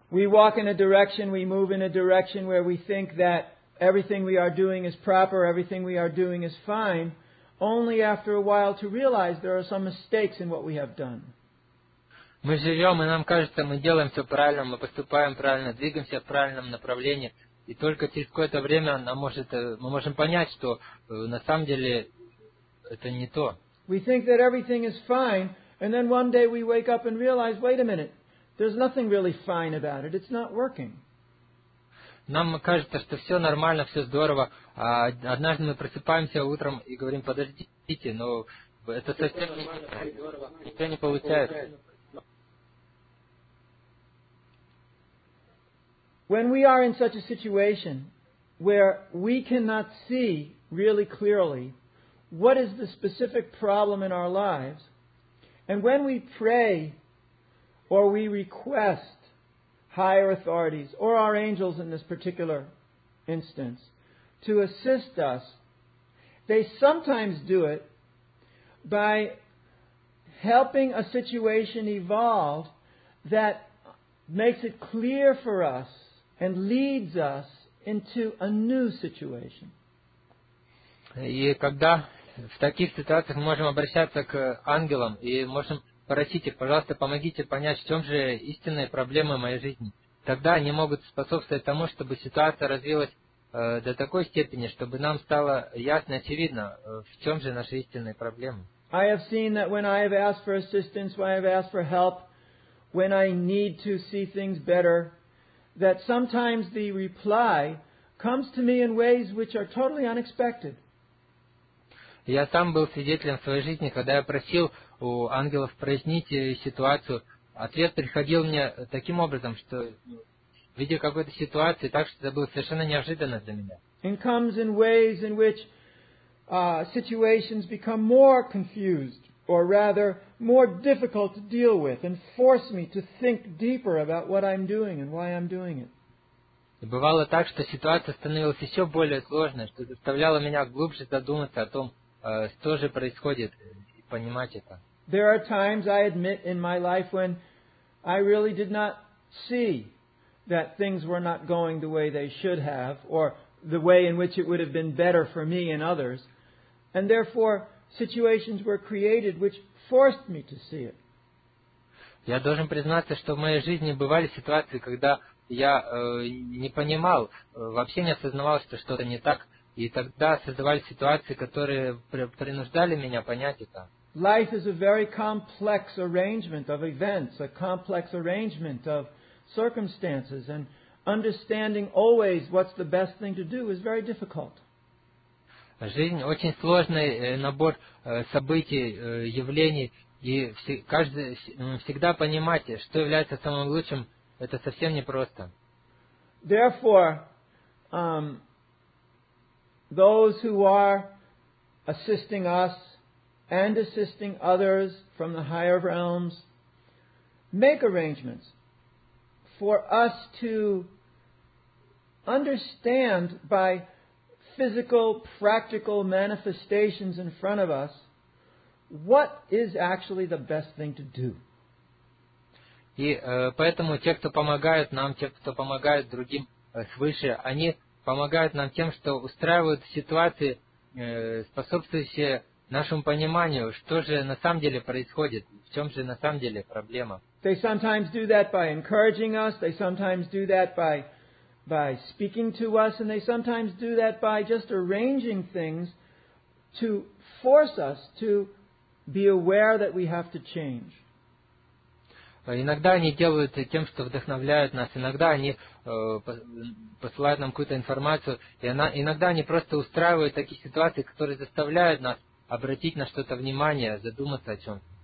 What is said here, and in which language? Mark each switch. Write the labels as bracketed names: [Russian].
[English] We walk in a direction, we move in a direction where we think that everything we are doing is proper, everything we are doing is fine, only after a while to realize there are some mistakes in what we have done. [Russian] Мы живем, и нам кажется, мы делаем все правильно, мы поступаем правильно, двигаемся в правильном направлении. И только через какое-то время мы можем понять, что на самом деле это не то. [English] We think that everything is fine, and then one day we wake up and realize, wait a minute, there's nothing really fine about it, it's not working. [Russian] Нам кажется, что все нормально, все здорово, а однажды мы просыпаемся утром и говорим, подождите, но это совсем не здорово, ничего не получается. [English] When we are in such a situation where we cannot see really clearly what is the specific problem in our lives, and when we pray or we request higher authorities or our angels in this particular instance to assist us, they sometimes do it by helping a situation evolve that makes it clear for us and leads us into a new situation. [Russian] И когда в таких ситуациях мы можем обращаться к ангелам и можем просить их, пожалуйста, помогите понять, в чем же истинные проблемы моей жизни, тогда они могут способствовать тому, чтобы ситуация развилась до такой степени, чтобы нам стало ясно, очевидно, в чем же наши истинные проблемы. [English] I have seen that when I have asked for assistance, when I have asked for help, when I need to see things better, that sometimes the reply comes to me in ways which are totally unexpected. [Russian] Я сам был свидетелем в своей жизни, когда я просил у ангелов прояснить ситуацию. Ответ приходил мне таким образом, что видя какую-то ситуацию, так что это было совершенно неожиданно для меня. [English] It comes in ways in which situations become more confused, or rather, more difficult to deal with, and force me to think deeper about what I'm doing and why I'm doing it. [Russian] Бывало так, что ситуация становилась еще более сложной, что заставляла меня глубже задуматься о том, что же происходит, и понимать это. [English] There are times, I admit, in my life when I really did not see that things were not going the way they should have, or the way in which it would have been better for me and others, and therefore situations were created which forced me to see it. [Russian] Я должен признаться, что в моей жизни бывали ситуации, когда я не понимал, вообще не осознавал, что что-то не так, и тогда создавались ситуации, которые принуждали меня понять это. [English] Life is a very complex arrangement of events, a complex arrangement of circumstances, and understanding always what's the best thing to do is very difficult. [Russian] Жизнь – очень сложный набор событий, явлений, и каждый всегда понимать, что является самым лучшим, это совсем непросто. [English] Therefore, those who are assisting us and assisting others from the higher realms make arrangements for us to understand by physical, practical manifestations in front of us, what is actually the best thing to do. [Russian] И поэтому те, кто помогают нам, те, кто помогают другим свыше, они помогают нам тем, что устраивают ситуации, способствующие нашему пониманию, что же на самом деле происходит, в чем же на самом деле проблема. [English] They sometimes do that by encouraging us, they sometimes do that by speaking to us, and they sometimes do that by just arranging things to force us to be aware that we have to change. [Russian] Иногда они делают тем, что вдохновляют нас, иногда они посылают нам какую-то информацию, и иногда они просто устраивают такие ситуации, которые заставляют нас обратить на что-то внимание, задуматься о чем-то.